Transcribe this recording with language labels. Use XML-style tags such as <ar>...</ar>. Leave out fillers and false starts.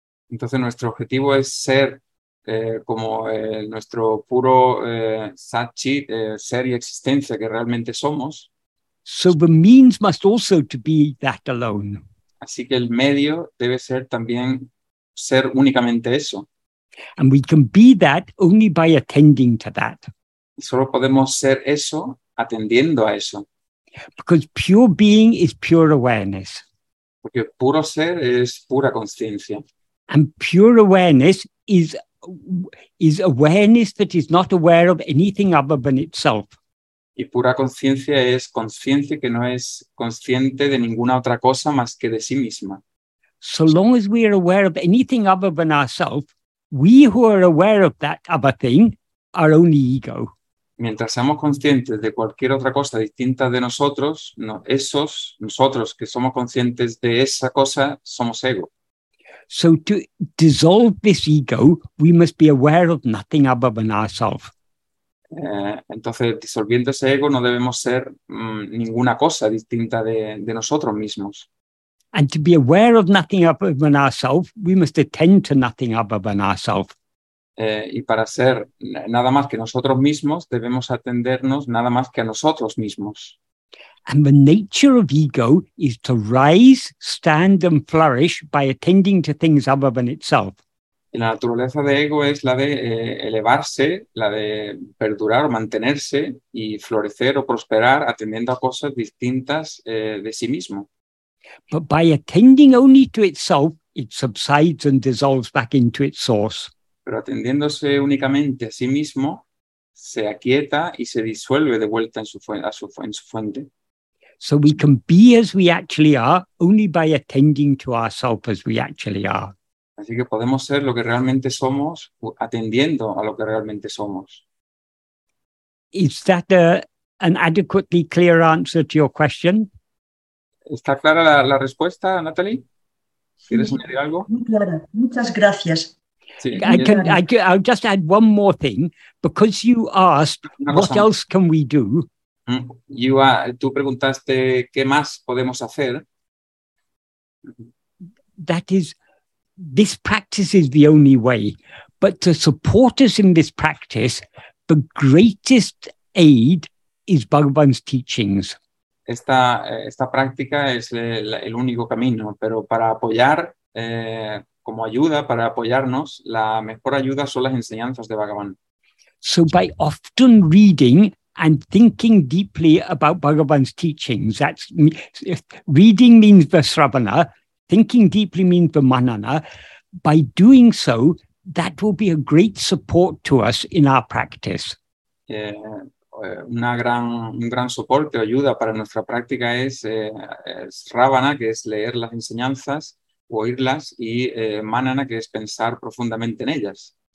<es>Entonces nuestro objetivo es ser como nuestro puro Satchit, ser y existencia que realmente somos.</es> <en>So the means must also to be that alone.</en> <es>Así que el medio debe ser también ser únicamente eso.</es> <en>And we can be that only by attending to that.</en> <es>Y solo podemos ser eso atendiendo a eso.</es> <en>Because pure being is pure awareness.</en> <es>Porque puro ser es pura consciencia.</es> <en>And pure awareness is awareness that is not aware of anything other than itself.</en> <es>Y pura conciencia es conciencia que no es consciente de ninguna otra cosa más que de sí misma.</es> <en>So long as we are aware of anything other than ourselves, we who are aware of that other thing are only ego.</en> <es>Mientras seamos conscientes de cualquier otra cosa distinta de nosotros, no, esos, nosotros que somos conscientes de esa cosa, somos ego.</es> <en>So to dissolve this ego, we must be aware of nothing other than ourselves.</en> <es>Entonces, disolviendo ese ego, no debemos ser ninguna cosa distinta de nosotros mismos.</es> <en>And to be aware of nothing other than ourselves, we must attend to nothing other than ourselves.</en> <es>Y para ser nada más que nosotros mismos, debemos atendernos nada más que a nosotros mismos.</es> <en>And the nature of ego is to rise, stand, and flourish by attending to things other than itself.</en> <es>Y la naturaleza de ego es la de elevarse, la de perdurar o mantenerse y florecer o prosperar atendiendo a cosas distintas de sí mismo.</es> <en>But by attending only to itself, it subsides and dissolves back into its source.</en> <es>Pero atendiéndose únicamente a sí mismo, se aquieta y se disuelve de vuelta en su fuente.</es> <en>So we can be as we actually are only by attending to ourselves as we actually are.</en> <es>Así que podemos ser lo que realmente somos atendiendo a lo que realmente somos.</es> <en>Is that an adequately clear answer to your question?</en> <es>¿Está clara la respuesta, Natalie? ¿Quieres añadir algo? Muy clara. Muchas gracias.</es> <en>Sí, I'll just add one more thing. Because you asked, what else can we do?</en> <es>Tú preguntaste qué más podemos hacer.</es> <en>That is, this practice is the only way. But to support us in this practice, the greatest aid is Bhagavan's teachings.</en> <es>Esta práctica es el único camino, pero para apoyar, como ayuda, para apoyarnos, la mejor ayuda son las enseñanzas de Bhagavan.</es> <en>So by often reading and thinking deeply about Bhagavan's teachings, reading means the sravana, thinking deeply means the manana, by doing so, that will be a great support to us in our practice. Yeah.</en> <es>un gran soporte o ayuda para nuestra práctica es Ravana, que es leer las enseñanzas o oírlas, y Manana, que es pensar profundamente en ellas.</es>